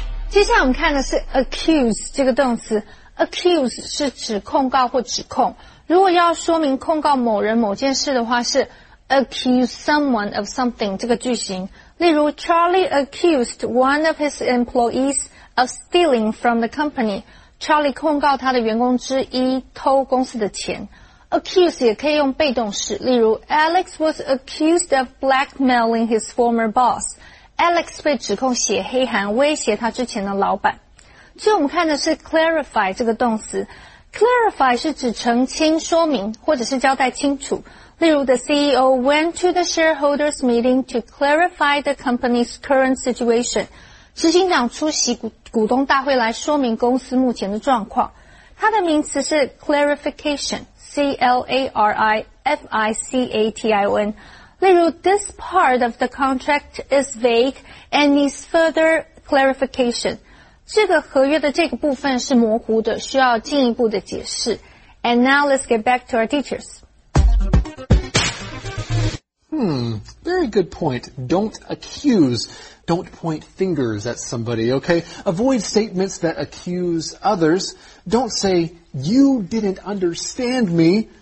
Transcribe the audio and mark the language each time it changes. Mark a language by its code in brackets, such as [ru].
[zh] 现在我们看的是 accuse 这个动词 ，accuse 是指控告或指控。如果要说明控告某人某件事的话，是 [en] accuse someone of something [zh] 这个句型。例如 [en] ，Charlie accused one of his employees of stealing from the company。 [zh] Charlie 控告他的员工之一偷公司的钱。 [en] Accuse [zh] 也可以用被动式，例如 [en] ，Alex was accused of blackmailing his former boss。 [zh] Alex 被指控写黑函威胁他之前的老板。最后我们看的是 clarify 这个动词。clarify 是指澄清说明或者是交代清楚。例如 [en] the CEO went to the shareholders meeting to clarify the company's current situation。 [zh] 执行长出席 股东大会来说明公司目前的状况。它的名词是 clarification,C-L-A-R-I-F-I-C-A-T-I-O-N。例如 [en] ,this part of the contract is vague and needs further clarification. [zh] 这个合约的这个部分是模糊的，需要进一步的解释。 [en] And now let's get back to our teachers. Very good point. Don't accuse. Don't point fingers at somebody, okay? Avoid statements that accuse others. Don't say, you didn't understand me.